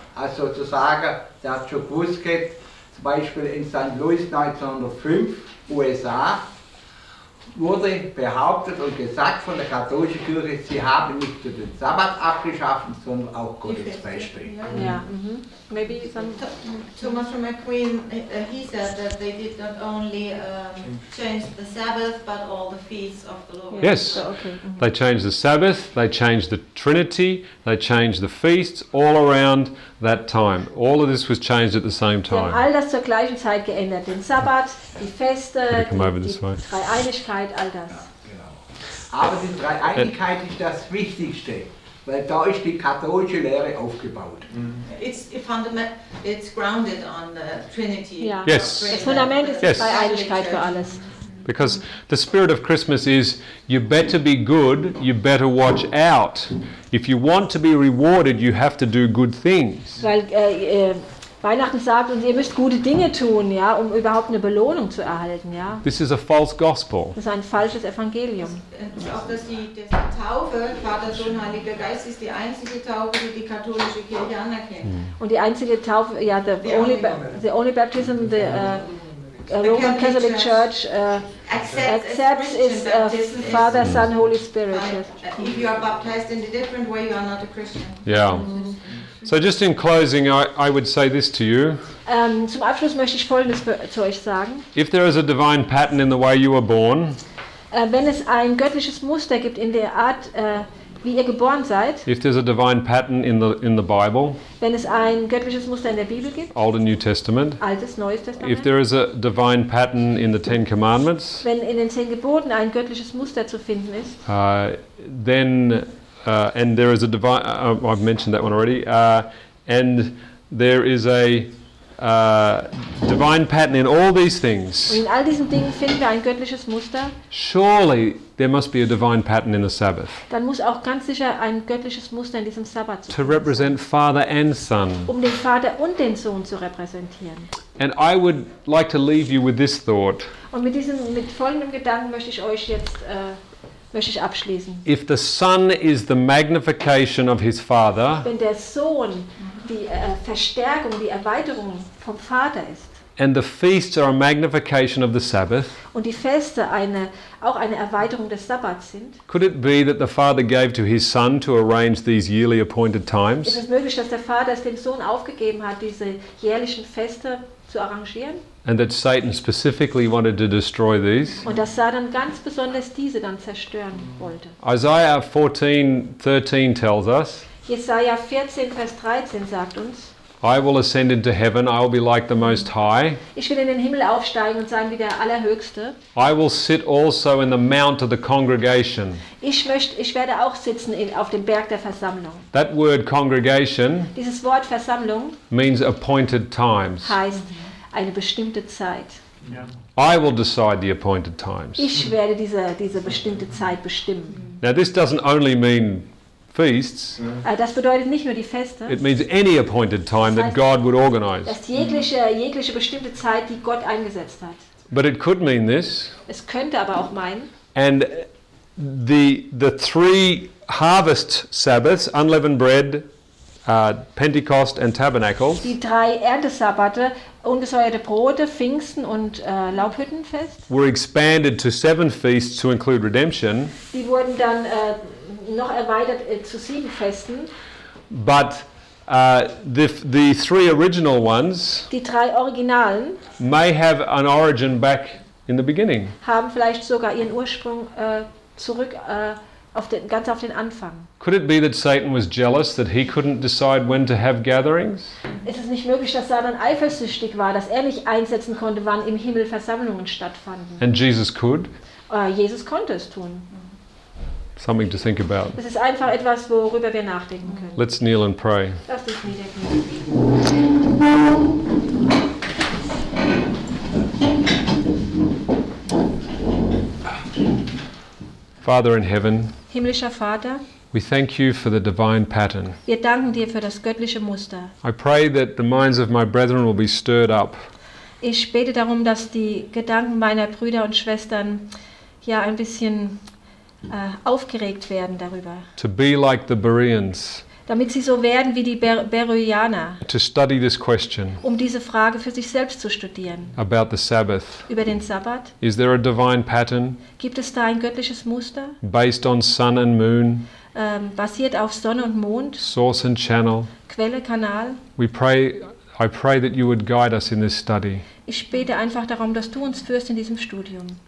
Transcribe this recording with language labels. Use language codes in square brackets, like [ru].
[de] Also zu sagen, der hat schon gewusst, zum Beispiel in St. Louis 1905, USA, wurde behauptet und gesagt von der katholischen Kirche, sie haben nicht nur den Sabbat abgeschaffen, sondern auch Gottes Beispiel. Ja, yeah. [en] Maybe Thomas von Aquin, he said that they did not only change the Sabbath, but all the feasts of the Lord. Yes, so, okay. Mm-hmm. They changed the Sabbath, they changed the Trinity, they changed the feasts all around that time. All of this was changed at the same time. [de] All das zur gleichen Zeit geändert, den Sabbat, die Feste, die Dreieinigkeit, all das. Ja, genau. Aber die Dreieinigkeit ist das Wichtigste. Weil da ist die katholische Lehre aufgebaut. [en] It's grounded on the Trinity. Yeah. Yes. [de] Das Fundament ist die Dreieinigkeit für alles. [en] Because the spirit of Christmas is, you better be good, you better watch out. If you want to be rewarded, you have to do good things. [de] Weil Weihnachten sagt uns, ihr müsst gute Dinge tun, ja, um überhaupt eine Belohnung zu erhalten, ja. [en] This is a false gospel. [de] Das ist ein falsches Evangelium. Auch dass die Taufe, Vater, Sohn, Heiliger Geist, ist die einzige Taufe, die katholische Kirche anerkennt. Und die einzige Taufe, ja, [en] the only baptism, the Roman Catholic Church accepts is Father, Son, Holy Spirit. If you are baptized in a different way, you are not a Christian. Yeah. So just in closing, I would say this to you. [de] Zum Abschluss möchte ich Folgendes zu euch sagen. [en] If there is a divine pattern in the way you were born, [de] wenn es ein göttliches Muster gibt in der Art, wie ihr geboren seid, [en] if there's a divine pattern in the Bible, [de] wenn es ein göttliches Muster in der Bibel gibt, [en] Old and New Testament, [de] Altes, Neues Testament, [en] if there is a divine pattern in the Ten Commandments, [de] wenn in den 10 Geboten ein göttliches Muster zu finden ist, [en] and there is a divine, I've mentioned that one already, and there is a divine pattern in all these things. [de] In all diesen Dingen finden wir ein göttliches Muster. [en] Surely there must be a divine pattern in the Sabbath. [de] Dann muss auch ganz sicher ein göttliches Muster in diesem Sabbat sein. [en] To represent Father and Son. [de] Um den Vater und den Sohn zu repräsentieren. [en] And I would like to leave you with this thought. [de] Und mit folgendem Gedanken möchte ich euch jetzt möchte ich abschließen. [en] If the Son is the magnification of his Father. [de] Wenn der Sohn die Verstärkung, die Erweiterung vom Vater ist. [en] And the feasts are a magnification of the Sabbath. [de] Und die Feste auch eine Erweiterung des Sabbats sind. [en] Could it be that the Father gave to his Son to arrange these yearly appointed times? [de] Ist es möglich, dass der Vater es dem Sohn aufgegeben hat, diese jährlichen Feste zu arrangieren. [en] And that Satan specifically wanted to destroy these. [de] Und dass Satan ganz besonders diese dann zerstören wollte. [en] Isaiah 14:13 tells us. [de] Jesaja 14, Vers 13 sagt uns. [en] I will ascend into heaven. I will be like the Most High. [de] Ich will in den Himmel aufsteigen und sein wie der Allerhöchste. [en] I will sit also in the mount of the congregation. [de] Ich werde auch sitzen auf dem Berg der Versammlung. [en] That word congregation. [de] Dieses Wort Versammlung. [en] Means appointed times. [de] Heißt eine bestimmte Zeit. [en] Yeah. I will decide the appointed times. [de] Ich werde diese bestimmte Zeit bestimmen. [en] Now this doesn't only mean. [de] Das bedeutet nicht nur die Feste. [en] It means any appointed time that God would organize. [de] Das jegliche bestimmte Zeit, die Gott eingesetzt hat. [en] But it could mean this. [de] Es könnte aber auch meinen. [en] And the three harvest Sabbaths, unleavened bread, Pentecost and Tabernacles. [de] Die drei Erntesabbate, ungesäuerte Brote, Pfingsten und Laubhüttenfest. [en] Were expanded to seven feasts to include redemption. [de] Die wurden dann noch erweitert zu sieben Festen. [en] But the three original ones. [de] Die drei Originalen. [en] May have an origin back in the beginning. [de] Haben vielleicht sogar ihren Ursprung zurück. Ganz auf den Anfang. [en] Could it be that Satan was jealous that he couldn't decide when to have gatherings? [de] Ist es nicht möglich, dass Satan eifersüchtig war, dass er nicht einsetzen konnte, wann im Himmel Versammlungen stattfanden? [en] And Jesus could. [de] Jesus konnte es tun. [en] Something to think about. [de] Es ist einfach etwas, worüber wir nachdenken können. [en] Let's kneel and pray. [de] Lass dich niederknien. [en] Father in heaven. [de] Himmlischer Vater. [en] We thank you for the divine pattern. [de] Wir danken dir für das göttliche Muster. [en] I pray that the minds of my brethren will be stirred up. [de] Ich bete darum, dass die Gedanken meiner Brüder und Schwestern ja ein bisschen aufgeregt werden darüber. [en] To be like the Bereans. [de] Damit sie so werden wie die Bereaner. [en] To study this question. [de] Um diese Frage für sich selbst zu studieren. [en] About the Sabbath. [de] Über den Sabbat. [en] Is there a divine pattern? [de] Gibt es da ein göttliches Muster? [en] Based on sun and moon. [de] Basiert auf Sonne und Mond. [en] Source and channel. [de] Quelle, Kanal. [en] I pray that you would guide us in this study. [de] Ich bete einfach darum, dass du uns führst in diesem Studium.